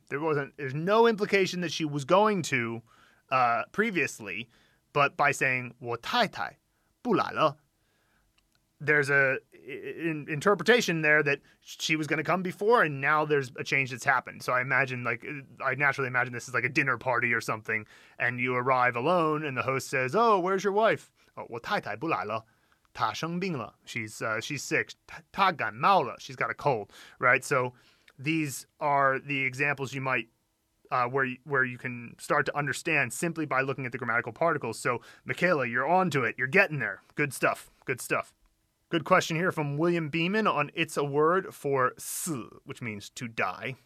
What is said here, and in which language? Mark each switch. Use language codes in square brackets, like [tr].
[en] There's no implication that she was going to previously, but by saying [zh] 我太太不来了, [en] there's an interpretation there that she was going to come before, and now there's a change that's happened. So I naturally imagine this is like a dinner party or something, and you arrive alone, and the host says, "Oh, where's your wife?" [zh] Oh, 我太太不来了，她生病了. [en] She's sick. [zh] 她感冒了. [en] She's got a cold, right? So these are the examples you might where you can start to understand simply by looking at the grammatical particles. So Michaela, you're on to it. You're getting there. Good stuff. Good stuff. Good question here from William Beeman on It's a Word for 死, which means to die.